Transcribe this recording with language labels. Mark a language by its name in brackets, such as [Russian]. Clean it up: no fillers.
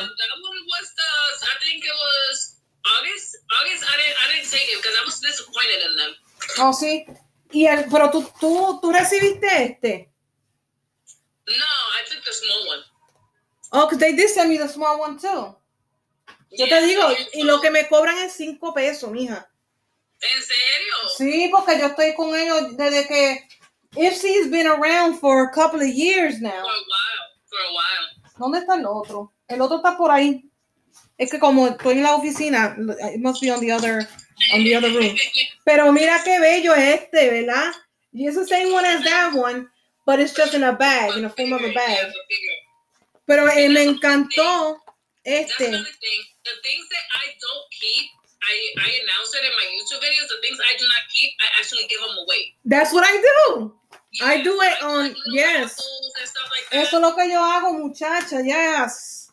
[English] That one was the... I think it was August. I didn't say it because I was disappointed in them. [Spanish] Oh, sí. Y el, pero tú recibiste este... [English] No, I took the small one. Oh, because they did send me the small one, too. Yeah, [Spanish] yo te digo, y lo que me cobran es 5 pesos, mija. ¿En serio? Sí, porque yo estoy con ellos desde que... [English] Ipsy's been around for a couple of years now. For a while. [Spanish] ¿Dónde está el otro? El otro está por ahí. Es que como estoy en la oficina, [English] it must be on the other room. [Spanish] Pero mira qué bello es este, ¿verdad? Y es el [English] same one as that one. But it's just in a bag, in a form of a bag. [Spanish] Pero me encantó este. [English] That's another thing. The things that I don't keep, I announce it in my YouTube videos. The things I do not keep, I actually give them away. That's what I do. Yeah, I do it on, yes. Like [Spanish] eso es lo que yo hago, muchacha, yes.